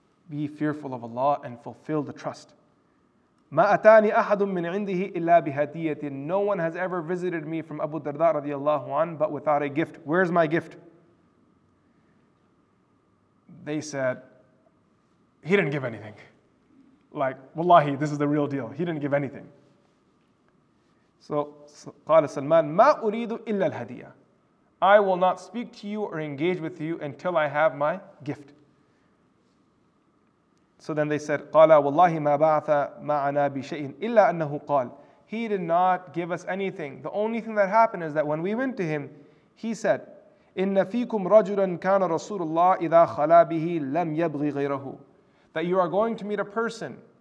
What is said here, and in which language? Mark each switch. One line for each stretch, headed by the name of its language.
English: Be fearful of Allah and fulfill the trust. "Ma atani ahadun min indihi illa bihadiyatin." No one has ever visited me from Abu Darda radiallahu anhu but without a gift. Where's my gift? They said, he didn't give anything. Like, wallahi, this is the real deal. He didn't give anything.
Arabic: So, قال سلمان, "ما أريد إلا الهدية."
English: I will not speak to you or engage with you until I have my gift.
Arabic: So then they said, قال والله ما بعث معنا بشيء إلا أنه قال.
English: He did not give us anything. The only thing that happened is that when we went to him, he said, إن فيكم رجلا كان رسول الله إذا خلا به لم يبغي غيره. That you are going to meet a person.